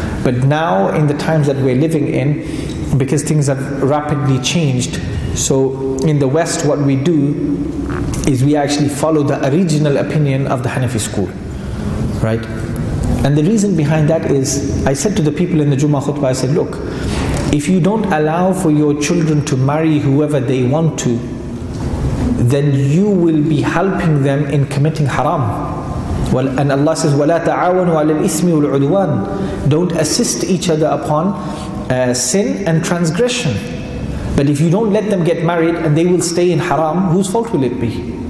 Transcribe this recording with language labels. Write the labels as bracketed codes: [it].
[en] But now in the times that we're living in, because things have rapidly changed, so in the West what we do is we actually follow the original opinion of the Hanafi school, right? And the reason behind that is, I said to the people in the Jummah khutbah, I said, look, if you don't allow for your children to marry whoever they want to, then you will be helping them in committing haram. Well, and Allah says, [ar] وَلَا تَعَوَنُوا عَلَى الْإِثْمِ وَالْعُدْوَانِ. [en] Don't assist each other upon sin and transgression. But if you don't let them get married and they will stay in haram, whose fault will it be?